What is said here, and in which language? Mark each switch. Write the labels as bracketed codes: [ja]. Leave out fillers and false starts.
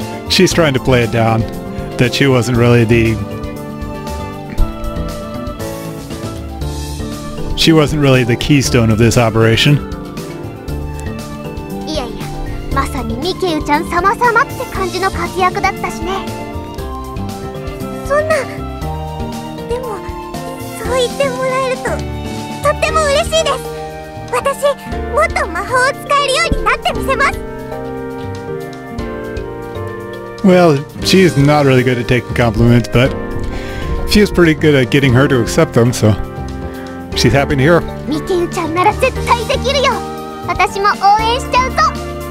[en] She's trying to play it down. That she wasn't really the... She wasn't really the keystone of this operation. Yeah, yeah. [ja] まさにミケウちゃん様様って感じの活躍だったしね。そんな、でもそう言ってもらえるととっても嬉しいです。私もっと魔法を使えるようになってみせます。 [en] Well, she's not really good at taking compliments, but she's pretty good at getting her to accept them, so she's happy to hear. [ja] Mikeyu-chan なら絶対できるよ。私も応援しちゃうぞ。